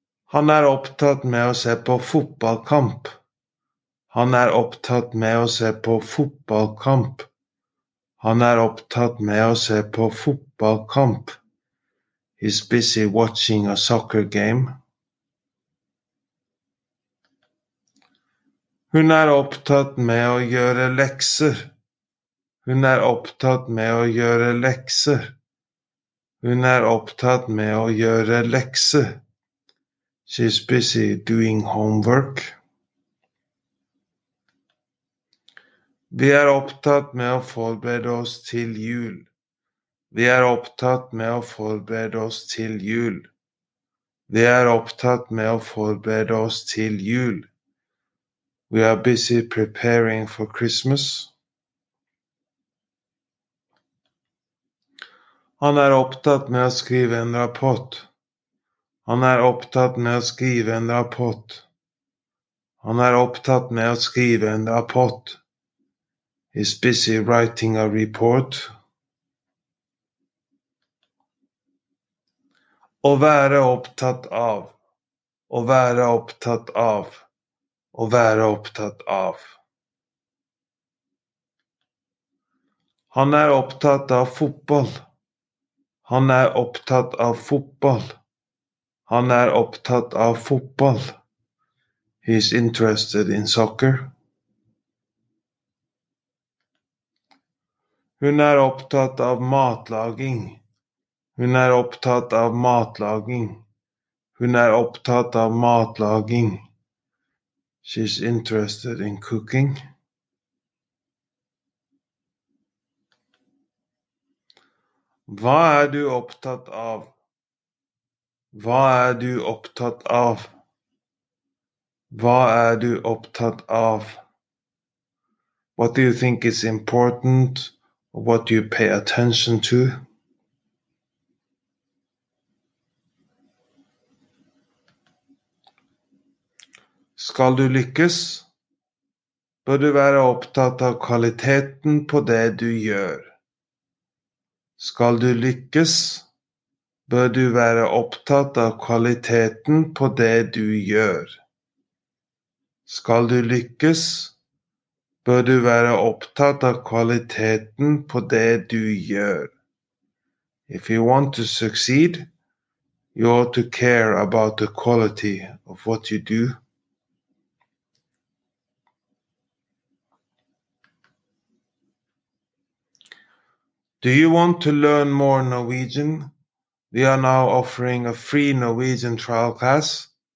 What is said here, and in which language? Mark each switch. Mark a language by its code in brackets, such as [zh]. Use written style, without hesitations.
[no] Han er opptatt med å se på fotballkamp. Han er opptatt med å se på fotballkamp. Han er opptatt med å se på fotballkamp. [en] He's busy watching a soccer game. [no] Hun er opptatt med å gjøre lekser. Hun er opptatt med å gjøre lekser. Hun er opptatt med å gjøre lekser. [en] She's busy doing homework. [no] Vi er opptatt med å forberede oss til jul. Vi er opptatt med å forberede oss til jul. Vi er opptatt med å forberede oss til jul. [en] We are busy preparing for Christmas. [no] Han er opptatt med å skrive en rapport. Han er opptatt med å skrive en rapport. Han er opptatt med å skrive en rapport. [en] He's busy writing a report. [no] Å være opptatt av. Å være opptatt av. Å være opptatt av. Han er opptatt av fotball. Han er opptatt av fotball. Han er opptatt av fotball. [en] He is interested in soccer. [no] Hun er opptatt av matlaging. Hun er opptatt av matlaging. Hun er opptatt av matlaging. [en] She is interested in cooking. [no] Hva er du opptatt av? Hva er du opptatt av? Hva er du opptatt av? [en] What do you think is important? What do you pay attention to? [no] Skal du lykkes, bør du være opptatt av kvaliteten på det du gjør. Skal du lykkes, bør du være opptatt av kvaliteten på det du gjør. Skal du lykkes, bør du være opptatt av kvaliteten på det du gjør. [en] If you want to succeed, you ought to care about the quality of what you do. Do you want to learn more Norwegian? We are now offering a free Norwegian trial class.